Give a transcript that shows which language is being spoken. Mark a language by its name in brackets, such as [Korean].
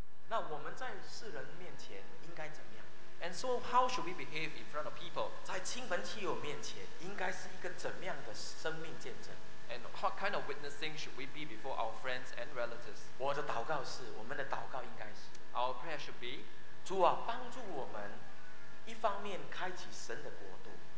[Chinese] 那我们在世人面前应该怎么样？ [English] And so how should we behave in front of people? [Chinese] 在亲朋戚友面前应该是一个怎么样的生命见证？ [English] And what kind of witnessing should we be before our friends and relatives? [Chinese] 我的祷告是，我们的祷告应该是。 [English] Our prayer should be, [Chinese] 主啊，帮助我们，一方面开启神的国度。